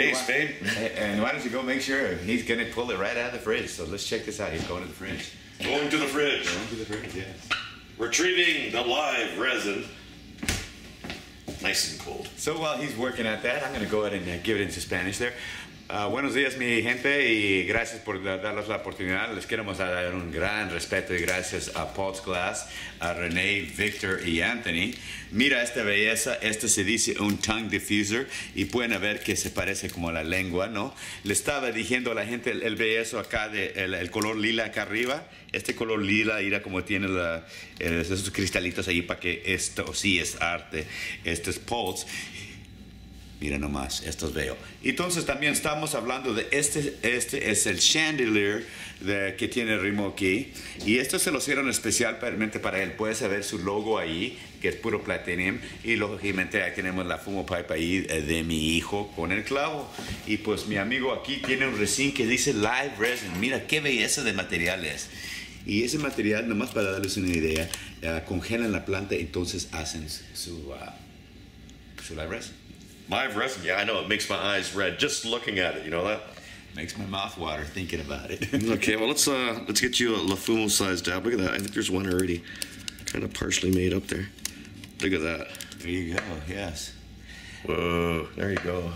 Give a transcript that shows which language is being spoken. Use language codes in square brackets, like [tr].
[en] Hey, Spain. And why don't you go make sure he's going to pull it right out of the fridge. So let's check this out. He's going to the fridge. Going to the fridge. Going to the fridge, yes. Retrieving the live resin. Nice and cold. So while he's working at that, I'm going to go ahead and give it into Spanish there. [es] Buenos días, mi gente, y gracias por darnos la oportunidad. Les queremos dar un gran respeto y gracias a Pulse Glass, a René, Victor y Anthony. Mira esta belleza. Esto se dice un tongue diffuser y pueden ver que se parece como la lengua, ¿no? Le estaba diciendo a la gente el belleza acá, el color lila acá arriba. Este color lila, mira como tiene esos cristalitos ahí para que esto sí es arte. Esto es Pulse. Mira nomás, estos veo. Entonces también estamos hablando de este es el chandelier que tiene Remo aquí. Y esto se lo hicieron especialmente para él. Puedes ver su logo ahí, que es puro platinum. Y lógicamente ahí tenemos la Fumo Pipe ahí de mi hijo con el clavo. Y pues mi amigo aquí tiene un resin que dice Live Resin. Mira qué belleza de materiales. Y ese material, nomás para darles una idea, congelan la planta, entonces hacen su Live Resin. [en] Live resin, yeah, I know, it makes my eyes red just looking at it, you know that? Makes my mouth water thinking about it. Okay, well, let's get you a Le Fumo size dab. Look at that, I think there's one already kind of partially made up there. Look at that. There you go, yes. Whoa, there you go.